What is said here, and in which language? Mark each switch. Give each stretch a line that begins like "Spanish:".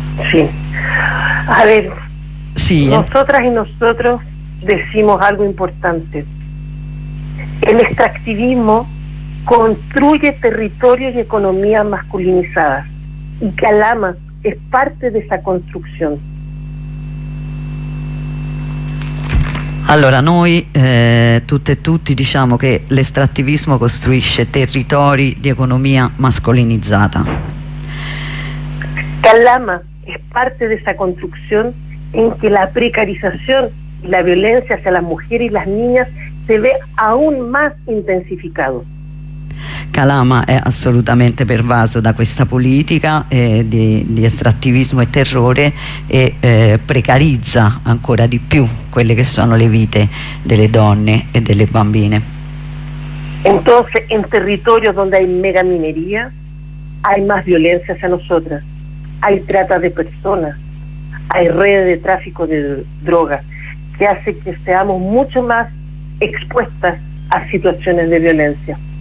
Spanish: Sí. A ver, sí, nosotras y nosotros decimos algo importante. El extractivismo construye territorios y economías masculinizadas, y Calama es parte de esa construcción.
Italian: Allora, noi tutte e tutti diciamo che l'estrattivismo costruisce territori di economia mascolinizzata.
Spanish: Calama es parte de esa construcción en que la precarización y la violencia hacia las mujeres y las niñas se ve aún más intensificado.
Italian: Calama è assolutamente pervaso da questa politica di estrattivismo e terrore, e precarizza ancora di più quelle che sono le vite delle donne e delle bambine.
Spanish: Entonces, en territorios donde hay megaminería hay más violencia hacia nosotras. Hay trata de personas, hay redes de tráfico de drogas, que hace que seamos mucho más expuestas a situaciones de violencia.